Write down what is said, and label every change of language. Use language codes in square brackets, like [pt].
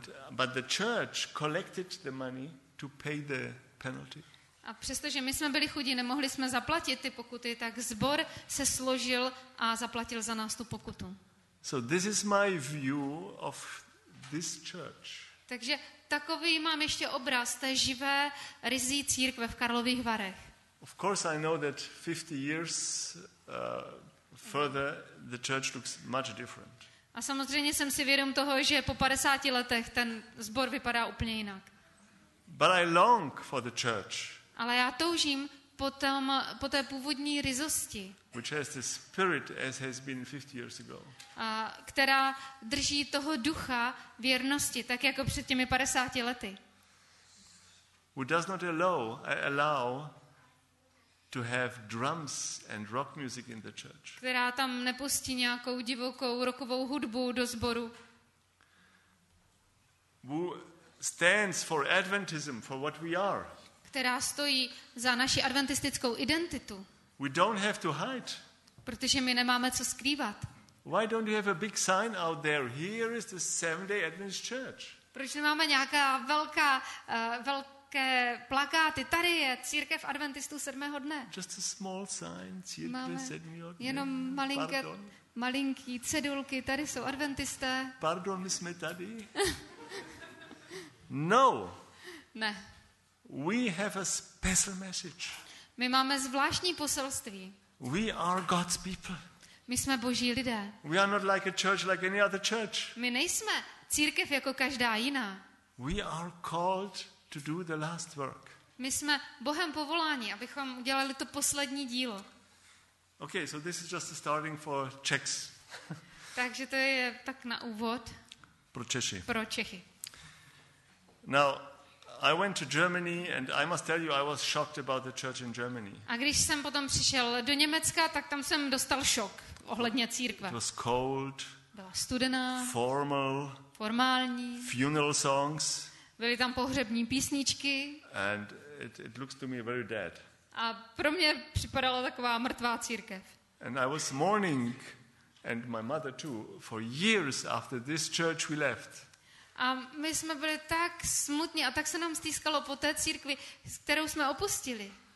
[en] But the church collected the money to pay the penalty. [cs] A přestože my jsme byli chudí, nemohli jsme zaplatit ty pokuty, tak sbor se složil a zaplatil za nás tu pokutu. [en] So this is my view of this church. [cs] Takže takový mám ještě obraz té živé ryzí církve v Karlových Varech. [en] Of course I know that 50 years further the church looks much different. [cs] A samozřejmě jsem si vědom toho, že po 50 letech ten sbor vypadá úplně jinak. [en] But I long for the church. [cs] Ale já toužím po té původní ryzosti. [en] Which has the spirit as has been 50 years ago. [cs] A která drží toho ducha věrnosti, tak jako před těmi 50 lety. [en] Who does not allow to have drums and rock music in the church. [cs] Která tam nepustí nějakou divokou rockovou hudbu do sboru. [en] Who stands for Adventism, for what we are. [cs] Která stojí za naši adventistickou identitu. [en] We don't have to hide. [cs] Protože my nemáme co skrývat. [en] Why don't you have a big sign out there? Here is the Seventh-day Adventist Church. [cs] Proč nemáme nějaká velké plakáty? Tady je církev adventistů sedmého dne. [en] Just a small sign, [cs] církev sedmého dne. Jenom malinký cedulky, tady jsou adventisté. Pardon, my jsme tady. No. Ne. [en] We have a special message. [cs] My máme zvláštní poselství. [en] We are God's people. [cs] My jsme Boží lidé. [en] We are not like a church like any other church. [cs] My nejsme církev jako každá jiná. [en] We are called to do the last work. [cs] My jsme Bohem povoláni, abychom udělali to poslední dílo. [en] Okay, so this is just a starting for Czechs. [cs] Takže to je tak na úvod. Pro Češi. Pro Čechy. [en] Now I went to Germany and I must tell you I was shocked about the church in Germany. [cs] A když jsem potom přišel do Německa, tak tam jsem dostal šok ohledně církve. [en] It was cold. [cs] Byla studená. [en] Formal. [cs] Formální. [en] Funeral songs. [cs] Byly tam pohřební písničky. [en] And it looks to me very dead. [cs] A pro mě připadala taková mrtvá církev. [en] And I was mourning and my mother too for years after this church we left. [cs] A my jsme byli tak smutní a tak se nám stýskalo po té církvi, kterou jsme opustili.